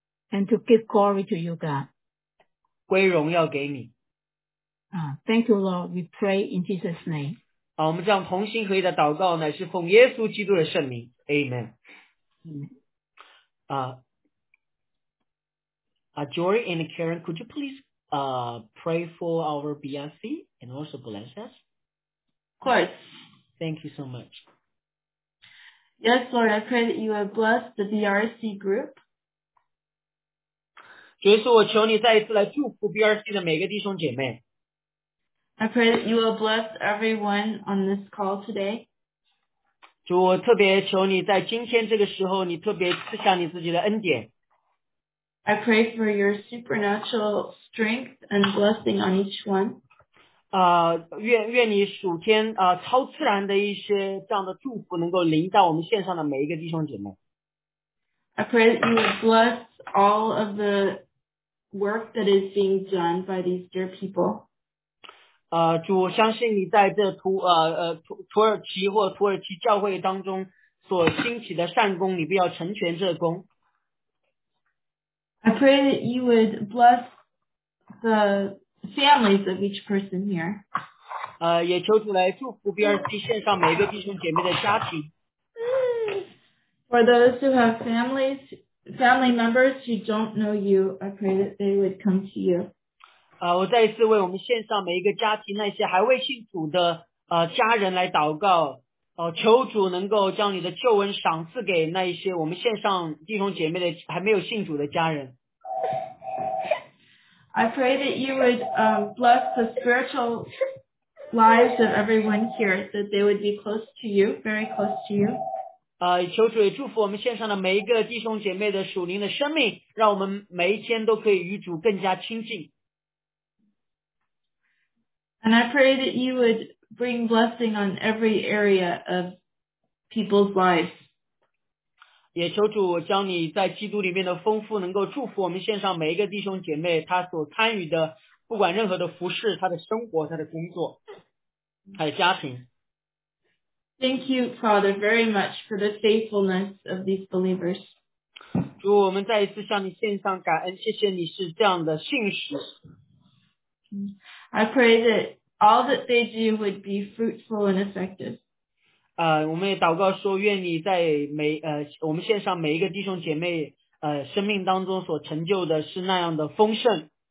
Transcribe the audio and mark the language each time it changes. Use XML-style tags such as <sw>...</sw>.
<en>，and to give glory to you, God,</en> <zh>归荣耀给你。</zh> <en>Thank you, Lord. We pray in Jesus' name.</en> <zh>我们这样同心合意的祷告呢，是奉耶稣基督的圣名 ，Amen.</zh> <en>Jory and Karen, could you please pray for our BRC and also bless us? Of course. Thank you so much. Yes, Lord, I pray that you would bless the BRC group.</en> <zh>耶稣，我求你再一次来祝福 BRC 的每个弟兄姐妹。</zh> <en>I pray that you will bless everyone on this call today.</en> <zh>主，我特别求你在今天这个时候，你特别赐下你自己的恩典。</zh> <en>I pray for your supernatural strength and blessing on each one.</en> <zh>愿你属天超自然的一些这样的祝福能够临到我们线上的每一个弟兄姐妹。</zh> <en>I pray that you would bless all of the work that is being done by these dear people.</en> <zh>主，我相信你在这土耳其或土耳其教会当中所兴起的善功，你必要成全这功。</zh> <en>I pray that you would bless the. Families of each person here.</en> <zh>也求主来祝福 BRC 线上每一个弟兄姐妹的家庭。</zh> <en>For those who have family members who don't know you, I pray that they would come to you.</en> <zh>我再一次为我们线上每一个家庭那些还未信主的家人来祷告。求主能够将你的救恩赏赐给那一些我们线上弟兄姐妹的还没有信主的家人。</zh> <en>I pray that you would bless the spiritual lives of everyone here, that they would be close to you, very close to you.</en> <zh>求主也祝福我们线上的每一个弟兄姐妹的属灵的生命，让我们每一天都可以与主更加亲近。</zh> <en>And I pray that you would bring blessing on every area of people's lives.</en> <zh>也求主将你在基督里面的丰富能够祝福我们线上每一个弟兄姐妹，他所参与的不管任何的服事，他的生活，他的工作，他的家庭。</zh> <en>Thank you, Father, very much for the faithfulness of these believers.</en> <zh>主，我们再一次向你献上感恩，谢谢你是这样的信实。</zh> <en>I pray that all that they do would be fruitful and effective.</en> <zh>我们也祷告说，愿你在每我们献上每一个弟兄姐妹生命当中所成就的是那样的丰盛。</zh>